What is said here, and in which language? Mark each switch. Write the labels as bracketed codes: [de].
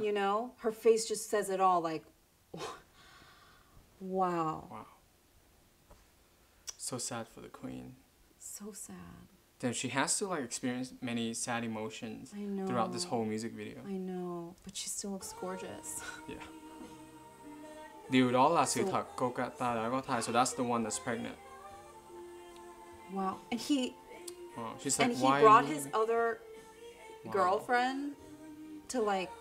[en] You know? Her face just says it all. Like, wow. So sad for the queen. So sad. Then she has to like experience many sad emotions throughout this whole music video. I know, but she still looks gorgeous. Yeah. [vi] Điều đó là sự thật, cô gái ta đã có thai, [en] so that's the one that's pregnant. Wow, and he... Wow, she's like, and he brought his other girlfriend to like...